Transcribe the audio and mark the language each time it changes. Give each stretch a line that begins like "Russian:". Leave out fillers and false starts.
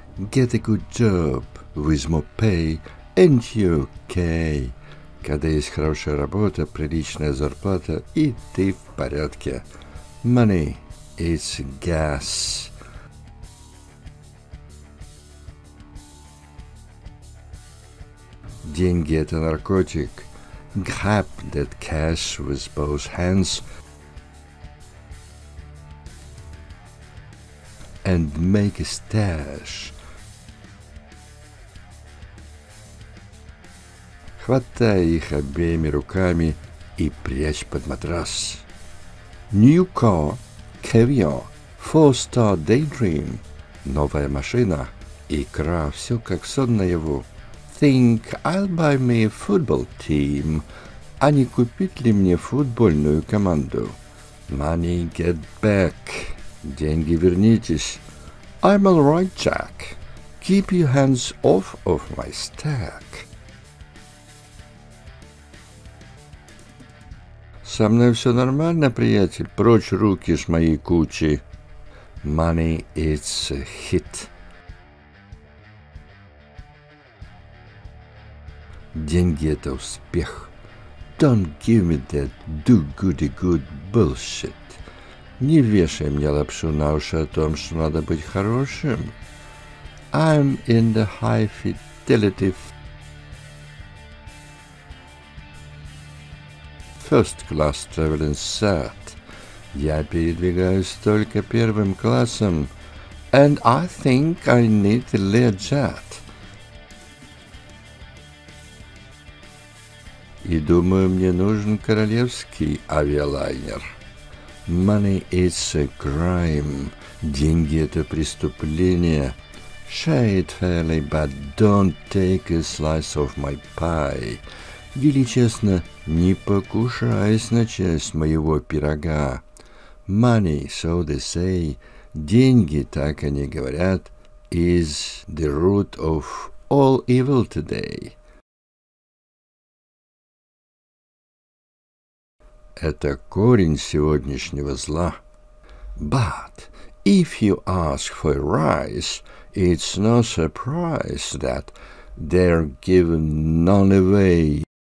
English: Get a good job, with more pay, and you okay.
Russian: Когда есть хорошая работа, приличная зарплата, и ты в порядке.
English: Money, it's gas.
Russian: Деньги – это наркотик.
English: Grab that cash with both hands and make a stash.
Russian: Хватай их обеими руками и прячь под матрас.
English: New car, caviar, four-star daydream.
Russian: Новая машина, икра, все как сон наяву.
English: Think I'll buy me a football team.
Russian: А не купить ли мне футбольную команду?
English: Money, get back.
Russian: Деньги, вернитесь.
English: I'm all right, Jack. Keep your hands off of my stack.
Russian: Со мной все нормально, приятель. Прочь руки с моей кучи.
English: Money, it's a hit.
Russian: Деньги – это успех.
English: Don't give me that do-goody-good bullshit.
Russian: Не вешай мне лапшу на уши о том, что надо быть хорошим.
English: I'm in the high fidelity first class traveling set.
Russian: Я передвигаюсь только первым классом.
English: And I think I need a Lir Jet.
Russian: И думаю, мне нужен королевский авиалайнер.
English: Money is a crime.
Russian: Деньги – это преступление.
English: Share it fairly, but don't take a slice of my pie.
Russian: Вели честно, не покушаясь на часть моего пирога.
English: Money, so they say,
Russian: деньги, так они говорят,
English: is the root of all evil today.
Russian: Это корень сегодняшнего зла.
English: But if you ask for a rise, it's no surprise that they're given none away.